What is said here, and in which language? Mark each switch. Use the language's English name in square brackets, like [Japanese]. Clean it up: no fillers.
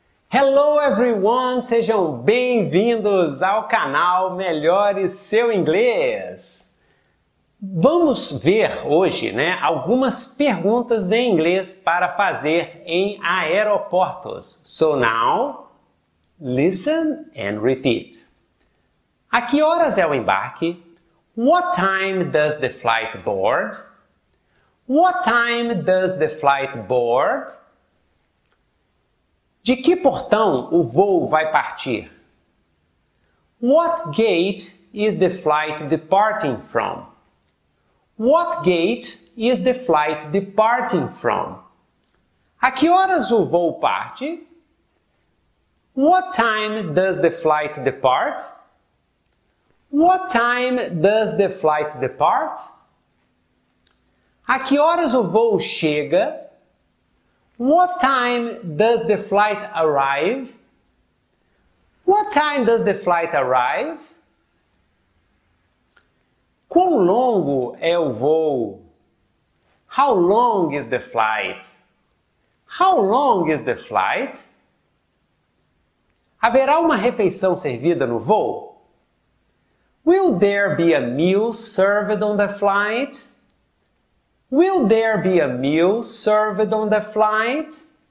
[English] Hello everyone, [Portuguese] sejam bem-vindos ao canal Melhore Seu Inglês. Vamos ver hoje, né, algumas perguntas em inglês para fazer em aeroportos. [English] So now, listen and repeat. [Portuguese] A que horas é o embarque? [English] What time does the flight board? What time does the flight board? [Portuguese] De que portão o voo vai partir? [English] What gate is the flight departing from? What gate is the flight departing from? [Portuguese] A que horas o voo parte? [English] What time does the flight depart? What time does the flight depart? [Portuguese] A que horas o voo chega? [English] What time does the flight arrive? What time does the flight arrive? [Portuguese] Quão longo é o voo? [English] How long is the flight? How long is the flight? [Portuguese] Haverá uma refeição servida no voo? [English] Will there be a meal served on the flight? Will there be a meal served on the flight?